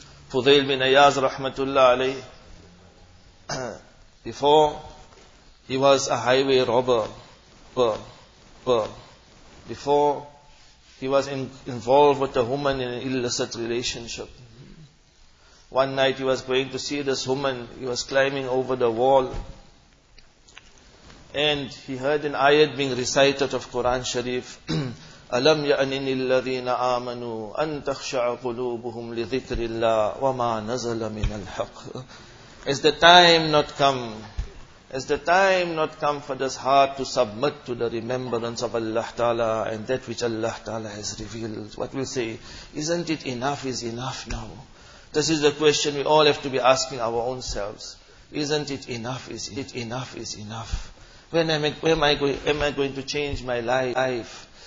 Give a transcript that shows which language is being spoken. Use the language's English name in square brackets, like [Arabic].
[English] Fudail bin Ayaz rahmatullah alayhi, before he was a highway robber, before he was involved with a woman in an illicit relationship. One night he was going to see this woman, he was climbing over the wall, and he heard an ayat being recited of Quran Sharif. [Arabic] أَلَمْ يَأْنِنِ الَّذِينَ آمَنُوا أَن تَخْشَعَ قُلُوبُهُمْ لِذِكْرِ اللَّهِ وَمَا نَزَلَ مِنَ الْحَقِّ [English] Is the time not come? Is the time not come for this heart to submit to the remembrance of Allah Ta'ala and that which Allah Ta'ala has revealed? What we say, isn't it enough is enough now? This is the question we all have to be asking our own selves. Isn't it enough is it enough is enough? When am I going to change my life?